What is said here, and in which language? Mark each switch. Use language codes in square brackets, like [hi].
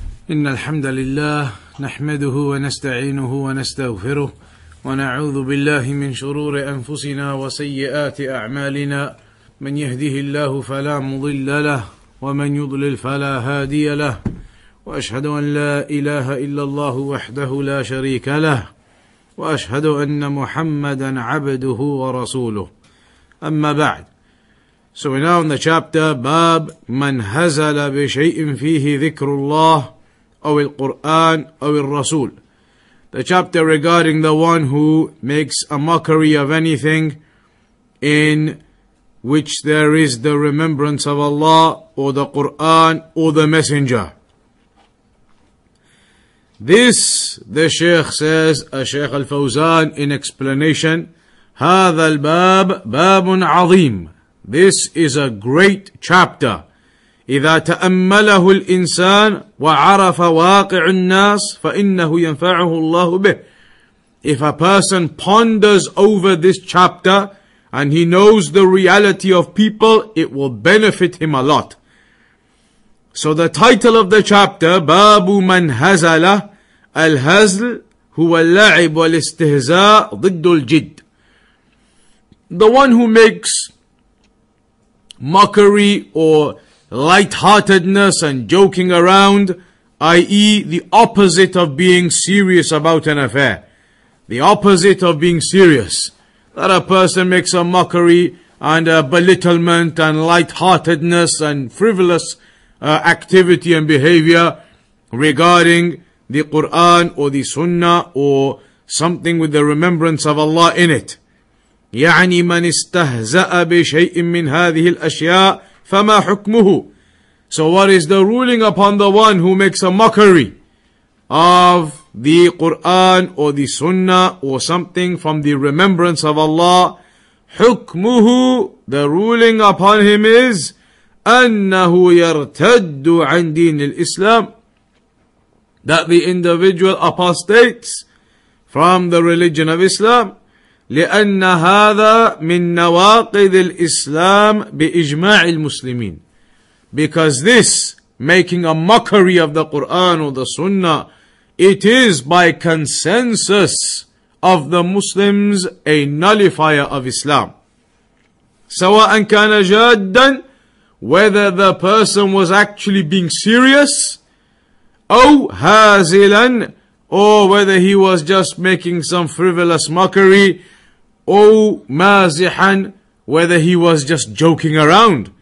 [ar] إن الحمد لله نحمده ونستعينه ونستغفره ونعوذ بالله من شرور أنفسنا وسيئات أعمالنا من يهده الله فلا مضل له ومن يضلل فلا هادي له وأشهد أن لا إله إلا الله وحده لا شريك له وأشهد أن محمدا عبده ورسوله أما بعد. [en] So we're now in the chapter [ar] باب من هزل بشيء فيه ذكر الله أو القرآن أو الرسول. [en] The chapter regarding the one who makes a mockery of anything in which there is the remembrance of Allah or the Qur'an or the Messenger. This, the Shaykh says, Shaykh Al Fawzaan in explanation, [ar] هذا الباب باب عظيم. [en] This is a great chapter. [ar] إذا تأمله الإنسان وعرف واقع الناس فإنه ينفعه الله به. [en] If a person ponders over this chapter and he knows the reality of people, it will benefit him a lot. So the title of the chapter, [ar] باب من هزل, الهزل هو اللعب والاستهزاء ضد الجد. [en] The one who makes mockery or lightheartedness and joking around, i.e. the opposite of being serious about an affair. The opposite of being serious. That a person makes a mockery and a belittlement and lightheartedness and frivolous activity and behavior regarding the Qur'an or the Sunnah or something with the remembrance of Allah in it. [ar] يعني من استهزاء بشيء من هذه الأشياء فما حكمه. [en] So what is the ruling upon the one who makes a mockery of the Qur'an or the Sunnah or something from the remembrance of Allah? [ar] حكمه, [en] the ruling upon him is [ar] أنه يرتد عن دين الإسلام, [en] that the individual apostates from the religion of Islam. [ar] لأن هذا من نواقض الإسلام بإجماع المسلمين. [en] Because this, making a mockery of the Qur'an or the Sunnah, it is by consensus of the Muslims a nullifier of Islam. [ar] سواء كان جادا, [en] whether the person was actually being serious, [ar] أو هازلا, [en] or whether he was just making some frivolous mockery, [ar] أو مازحا, [en] whether he was just joking around.